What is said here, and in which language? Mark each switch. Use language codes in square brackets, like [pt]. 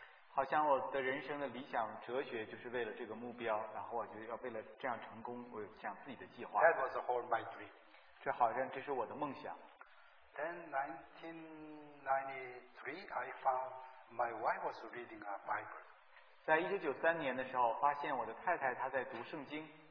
[zh] 好像我的人生的理想哲学就是为了这个目标，然后我就要为了这样成功，我有想自己的计划。 [en] That was the whole my dream. [zh] 这好像这是我的梦想。 [en] Then 1993, I found my wife was reading a Bible. [zh] 在1993年的时候，发现我的太太她在读圣经。